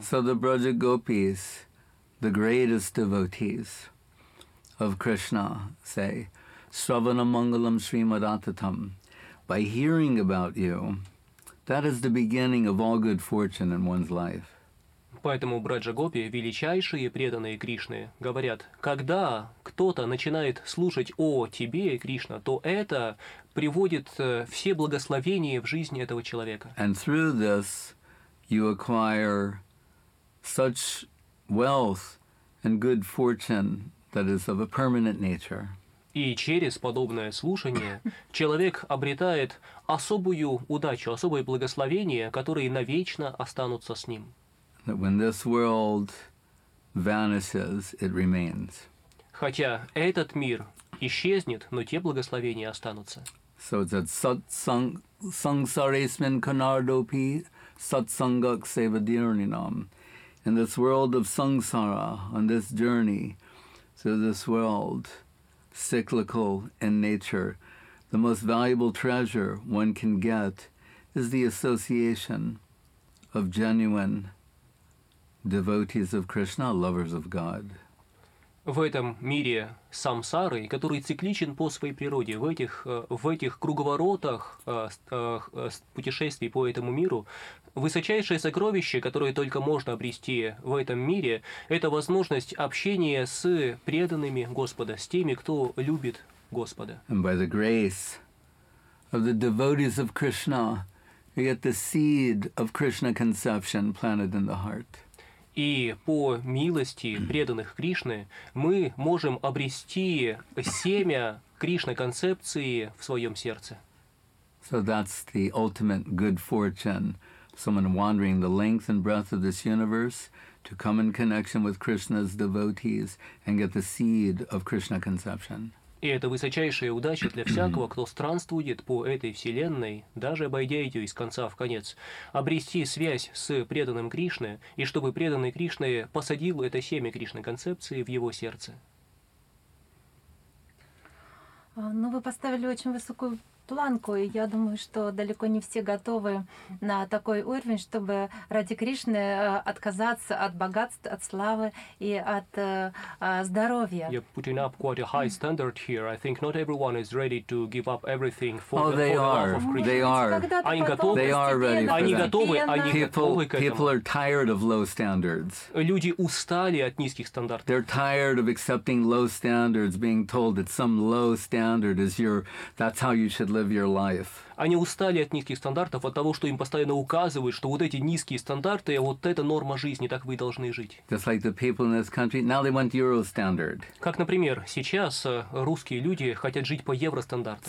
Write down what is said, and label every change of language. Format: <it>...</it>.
<en>So the Braja Gopis, the greatest devotees of Krishna, say,</en> <sa>Shravana Mangalam Srimadatatam,</sa> <en>by hearing about you, that is the beginning of all good fortune in one's life.</en> <ru>Поэтому Браджа Гопи, величайшие преданные Кришны, говорят, когда кто-то начинает слушать о тебе, Кришна, то это приводит все благословения в жизни этого человека.</ru> <en>And through this, you acquire such wealth and good fortune that is of a permanent nature.</en> <ru>И через подобное слушание человек обретает особую удачу, особое благословение, которые навечно останутся с ним.</ru> <en>When this world vanishes, it remains.</en> <ru>Хотя этот мир исчезнет, но те благословения останутся.</ru> <en>So it's at satsang,</en> <sa>sangsaresmin kanardopi satsangak sevadirninam.</sa> <en>In this world of samsara, on this journey through this world, cyclical in nature, the most valuable treasure one can get is the association of genuine devotees of Krishna, lovers of God.</en> <ru>В этом мире самсары, который цикличен по своей природе, в этих круговоротах путешествий по этому миру, высочайшее сокровище, которое только можно обрести в этом мире, это возможность общения с преданными Господа, с теми, кто любит Господа.</ru> <en>And by the grace of the devotees of Krishna, you get the seed of Krishna conception planted in the heart.</en> <ru>И по милости преданных Кришны мы можем обрести семя Кришна-концепции в своем сердце.</ru> <en>So that's the ultimate good fortune. Someone wandering the length and breadth of this universe to come in connection with Krishna's devotees and get the seed of Krishna conception.</en> <ru>И это высочайшая удача для всякого, кто странствует по этой вселенной, даже обойдя ее из конца в конец, обрести связь с преданным Кришны, и чтобы преданный Кришна посадил это семя Кришны-концепции в его сердце. Ну, вы поставили очень высокую планку, и я думаю, что далеко не все готовы на такой уровень, чтобы ради Кришны отказаться от богатств, от славы и от здоровья.</ru> <en>You're putting up quite a high standard here. I think not everyone is ready to give up everything for the love of Krishna. They are.</en> <ru>Они готовы.</ru> <en>They are ready.</en> <ru>Они готовы. Они готовы к этому.</ru> <en>People are tired of low standards.</en> <ru>Люди устали от низких стандартов.</ru> <en>They're tired of accepting low standards, being told that some low standard is your. That's how you should live your life.</en> <ru>Они устали от низких стандартов, от того, что им постоянно указывают, что вот эти низкие стандарты, вот это норма жизни, так вы и должны жить.</ru> <en>Just like the people in this country, now they want euro standard.</en> <ru>Как, например, сейчас русские люди хотят жить по евростандартам.</ru>